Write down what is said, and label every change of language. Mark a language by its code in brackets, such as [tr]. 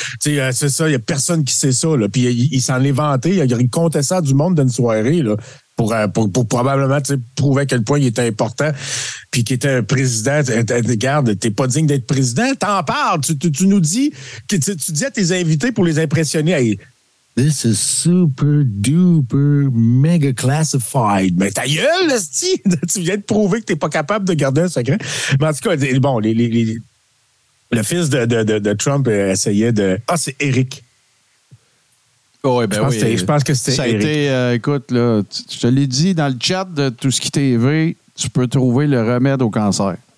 [fr] Tu sais, c'est ça, il y a personne qui sait ça. Là. Puis il s'en est vanté, il comptait ça à du monde d'une soirée, là. Pour probablement prouver à quel point il était important, puis qu'il était un président. Regarde, t'es pas digne d'être président, t'en parles. Tu nous dis, que tu dis à tes invités pour les impressionner. [en] Hey, this is super duper mega classified. [fr] Mais ta gueule, l'esti! Tu viens de prouver que t'es pas capable de garder un secret. Mais en tout cas, bon, le fils de Trump essayait de. Ah, c'est Eric. Oh, ben je pense oui, je pense que c'était ça a été, écoute, là, je te l'ai dit dans le chat de tout ce qui t'est vu, tu peux trouver le remède au cancer.